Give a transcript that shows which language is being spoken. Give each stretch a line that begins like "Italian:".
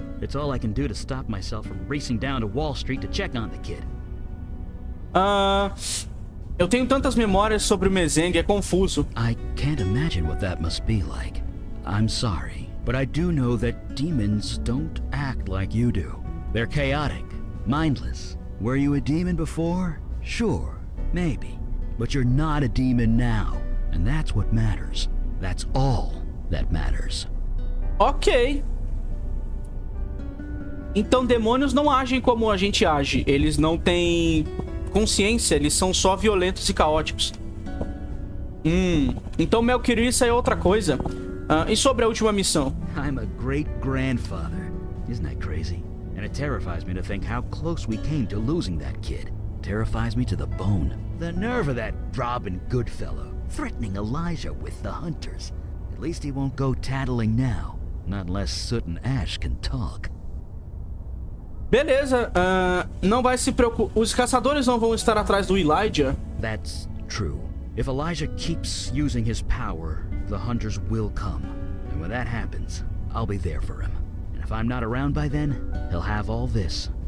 English: It's all I can do to stop myself from racing down to Wall Street to check on the kid.
Portuguese: Eu tenho tantas memórias sobre o mezenga, é confuso.
English: I can't imagine what that must be like. I'm sorry, but I do know that demons don't act like you do. They're chaotic. Mindless. Were you a demon before? Sure, maybe. But you're not a demon now. And that's what matters. That's all that matters. Ok.
Portuguese: Então demônios não agem como a gente age. Eles não têm consciência. Eles são só violentos e caóticos. Então Melkirissa é outra coisa. E sobre a última missão?
English: I'm a great grandfather. Isn't that crazy? And it terrifies me to think how close we came to losing that kid. Terrifies me to the bone. The nerve of that Robin Goodfellow, threatening Elijah with the hunters. At least he won't go tattling now. Not unless Soot and Ash can talk.
Portuguese: Beleza, não vai se preocupar. Os caçadores não vão estar atrás do Elijah.
English: That's true. If Elijah keeps using his power, the hunters will come. And when that happens, I'll be there for him. If I'm not around by then, he'll have all this.